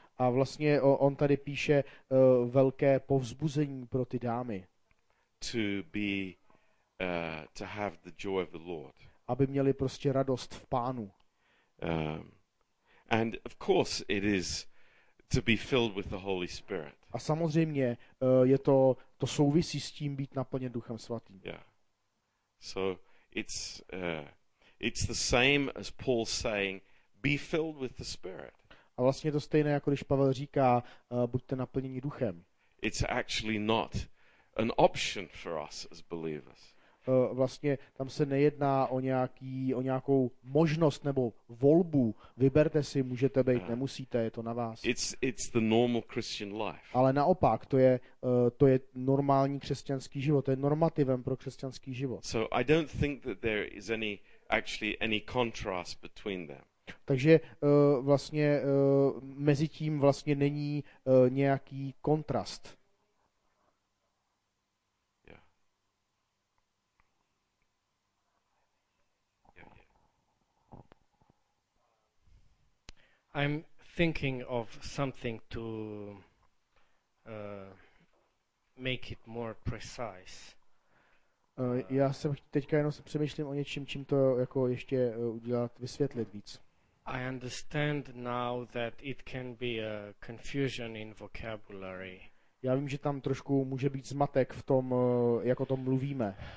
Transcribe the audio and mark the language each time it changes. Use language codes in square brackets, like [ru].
[cs] A vlastně on tady píše velké povzbuzení pro ty dámy. [en] To be to have the joy of the Lord. [cs] Aby měli prostě radost v Pánu. [en] And of course it is to be filled with the Holy Spirit. [cs] A samozřejmě je to souvisí s tím být naplněn Duchem Svatým. [en] Yeah. So it's the same as Paul saying be filled with the Spirit. [cs] A vlastně je to stejné jako když Pavel říká buďte naplněni Duchem. [en] It's actually not an option for us as believers. [cs] Vlastně tam se nejedná o nějakou možnost nebo volbu. Vyberte si, můžete být, nemusíte, je to na vás. [en] It's the normal Christian life. [cs] Ale naopak, to je normální křesťanský život, to je normativem pro křesťanský život. [en] So I don't think that there is any contrast between them. [cs] Takže vlastně mezi tím vlastně není nějaký kontrast. [en] I'm thinking of something to make it more precise. [cs] Já se teďka jenom přemýšlím o něčím, čím to jako ještě udělat, vysvětlit víc. [en] I understand now that it can be a confusion in vocabulary. [cs] Já vím, že tam trošku může být zmatek v tom, jak o tom mluvíme.